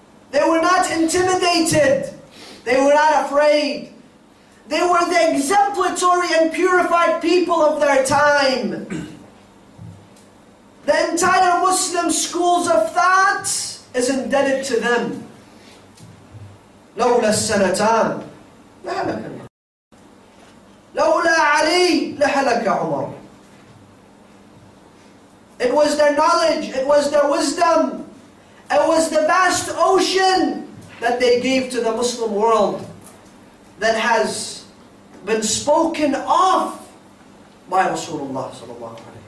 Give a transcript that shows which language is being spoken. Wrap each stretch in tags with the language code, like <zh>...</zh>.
<en>They were not intimidated. They were not afraid. They were the exemplary and purified people of their time. The entire Muslim schools of thought is indebted to them.</en> <ar>لولا السنتان لهلك لولا علي لهلك عمر.</ar> <en>It was their knowledge, it was their wisdom, it was the vast ocean that they gave to the Muslim world that has been spoken of by Rasulullah sallallahu alayhi wa sallam.</en>